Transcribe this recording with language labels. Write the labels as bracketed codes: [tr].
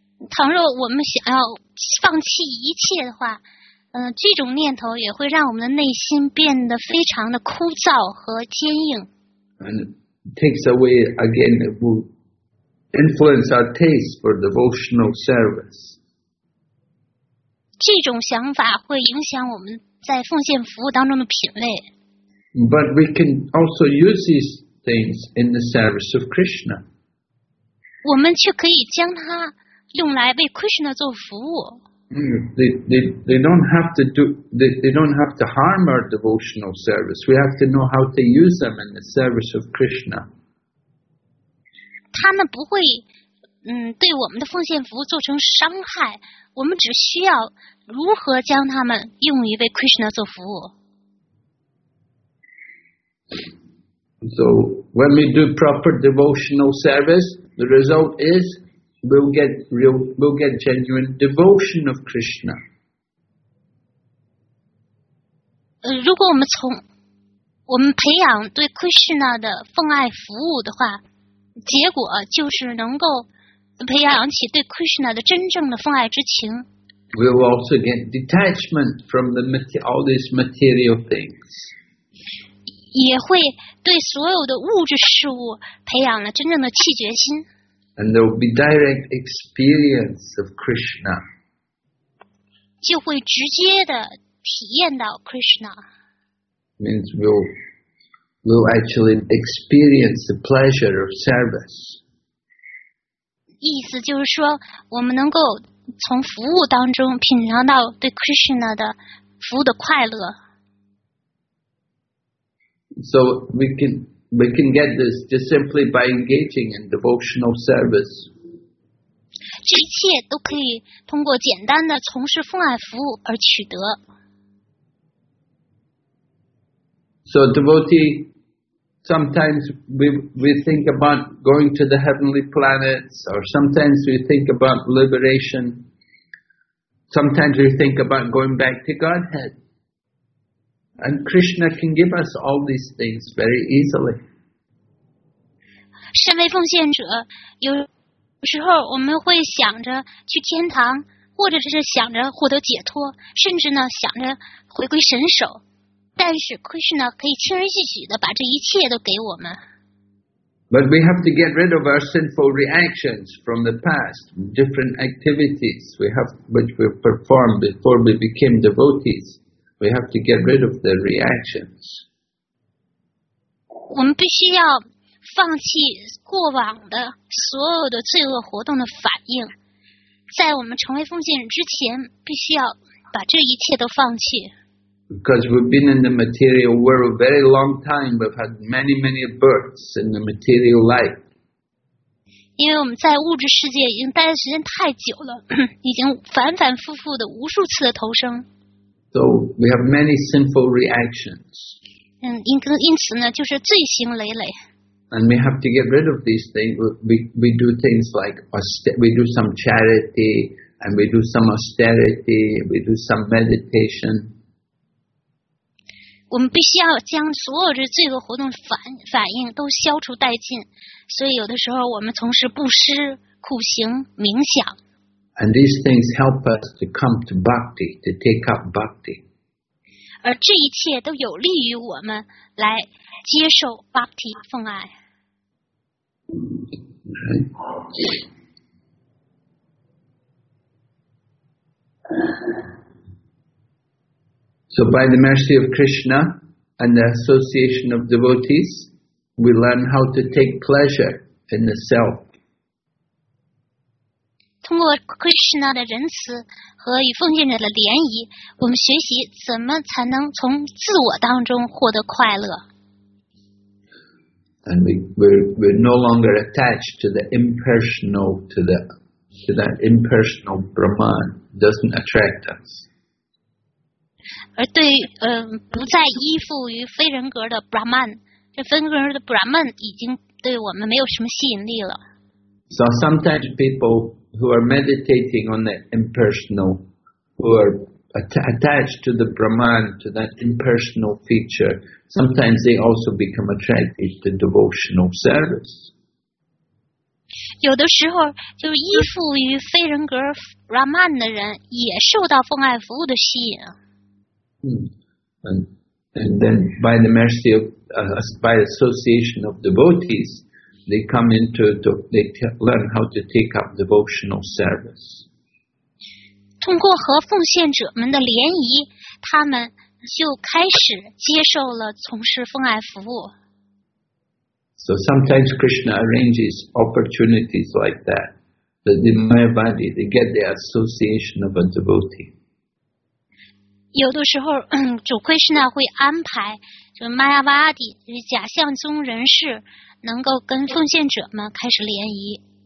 [zh] 倘若我们想要放弃一切的话，这种念头也会让我们的内心变得非常的枯燥和坚硬。 [en] And it takes away, again, it will influence our taste for devotional service. [zh] 这种想法会影响我们在奉献服务当中的品味。 [en] But we can also use these things in the service of Krishna. [zh] 我们却可以将它用来为 Krishna 做服务。 [en] They don't have to harm our devotional service. We have to know how to use them in the service of Krishna. [zh] 他们不会对我们的奉献服务造成伤害。我们只需要如何将他们用于为 Krishna 做服务。 [en] So when we do proper devotional service, the result is. We'll get genuine devotion of Krishna. [zh] 如果我们培养对 Krishna 的奉爱服务的话，结果就是能够培养起对 Krishna 的真正的奉爱之情。 [en] We'll also get detachment from all these material things. [zh] 也会对所有的物质事物培养了真正的弃绝心。 [en] And there will be direct experience of Krishna. [zh] 就会直接的体验到 Krishna. [en] Means we'll actually experience the pleasure of service. [zh] 意思就是说，我们能够从服务当中品尝到对 Krishna 的服务的快乐。 [en] So we can get this just simply by engaging in devotional service. [zh] 这一切都可以通过简单的从事奉爱服务而取得。 [en] So devotee, sometimes we think about going to the heavenly planets, or sometimes we think about liberation. Sometimes we think about going back to Godhead. And Krishna can give us all these things very easily. [zh] 身为奉献者，有时候我们会想着去天堂，或者是想着获得解脱，甚至呢想着回归神手。但是 Krishna 可以轻而易举的把这一切都给我们。 [en] But we have to get rid of our sinful reactions from the past, different activities we have which we performed before we became devotees. We have to get rid of the reactions. [zh] 我们必须要放弃过往的所有的罪恶活动的反应，在我们成为奉献人之前，必须要把这一切都放弃。 [en] Because we've been in the material world a very long time, we've had many, many births in the material life. [zh] 因为我们在物质世界已经待的时间太久了，已经反反复复的无数次的投生。 [en] So we have many sinful reactions. [zh] 因此呢，就是罪行累累。 [en] And we have to get rid of these things. We do things like we do some charity, and we do some austerity, we do some meditation. [zh] 我们必须要将所有的罪恶活动反应都消除殆尽，所以有的时候我们从事布施、苦行、冥想。 [en] And these things help us to come to bhakti, to take up bhakti. [zh] 而这一切都有利于我们来接受 bhakti 奉爱。 [en] So by the mercy of Krishna and the association of devotees, we learn how to take pleasure in the self. [zh] 通过 Krishna 的仁慈和与奉献者的联谊，我们学习怎么才能从自我当中获得快乐。 [en] And we're no longer attached to the impersonal, to that impersonal Brahman doesn't attract us. [zh] 而对不再依附于非人格的 Brahman， 这非人格的 Brahman 已经对我们没有什么吸引力了。 [en] So sometimes people who are meditating on the impersonal, who are attached to the Brahman, to that impersonal feature, sometimes they also become attracted to devotional service. [zh] 有的时候，就是依附于非人格 Brahman 的人，也受到奉爱服务的吸引。 [en] And then by the mercy of, by association of devotees, they come into, they learn how to take up devotional service. [zh] 通过和奉献者们的联谊，他们就开始接受了从事奉爱服务。 [en] So sometimes Krishna arranges opportunities like that, that the Mayavadi, they get the association of a devotee. [zh] 有的时候，主 Krishna 会安排，就 Mayavadi 假象中人士能够跟奉献者们开始联谊。